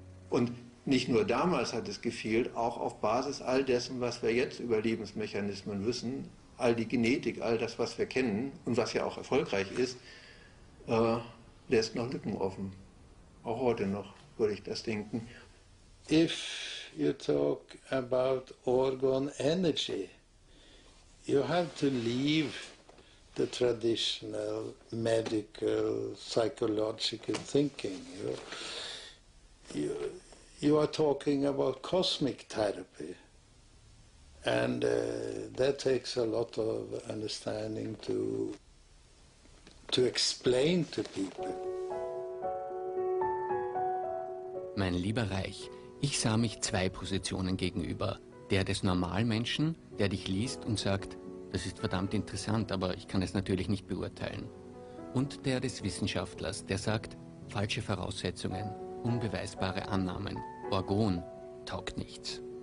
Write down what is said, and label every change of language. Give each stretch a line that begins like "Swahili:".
German: Und nicht nur damals hat es gefehlt, auch auf Basis all dessen, was wir jetzt über Lebensmechanismen wissen, all die Genetik, all das, was wir kennen und was ja auch erfolgreich ist, lässt noch Lücken offen. Auch heute noch, würde ich das denken.
English: If you talk about organ energy, you have to leave the traditional medical psychological thinking. You are talking about cosmic therapy. And that takes a lot of understanding to explain to people.
German: Mein lieber Reich, ich sah mich zwei Positionen gegenüber. Der des Normalmenschen, der dich liest und sagt, das ist verdammt interessant, aber ich kann es natürlich nicht beurteilen. Und der des Wissenschaftlers, der sagt, falsche Voraussetzungen, unbeweisbare Annahmen, Orgon taugt nichts.